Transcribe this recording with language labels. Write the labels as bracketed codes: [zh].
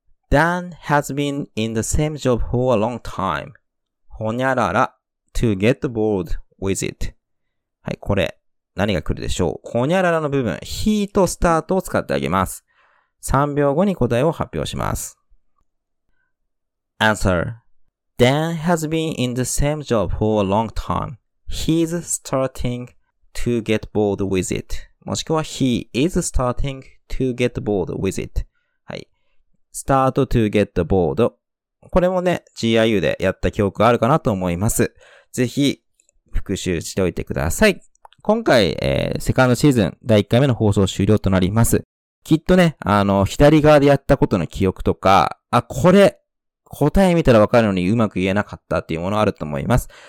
[en] Dan has been in the same job for a long time. ほにゃらら to get bored with it. [ja] はい、これ何が来るでしょう。ほにゃららの部分、he と start を使ってあげます。 3秒後に答えを発表します。 [en] Answer. Dan has been in the same job for a long time. He's starting to get bored with it. もしくは He is starting to get bored with it. はい。Start to get bored. [ja] これもね、GIU でやった記憶あるかなと思います。ぜひ復習しておいてください。今回、セカンドシーズン第1回目の放送終了となります。きっとね、左側でやったことの記憶とか、あ、これ、答え見たらわかるのにうまく言えなかったっていうものあると思います。